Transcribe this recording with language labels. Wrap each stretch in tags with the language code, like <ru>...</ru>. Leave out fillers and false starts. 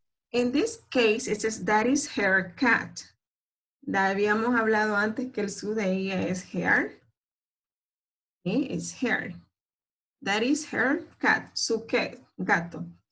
<en>In this case, it says that is her cat.</en> <es>Ya habíamos hablado antes que el su de ella es her.</es> <en>It's her. That is her cat.</en> <es>Su qué? Gato.</es>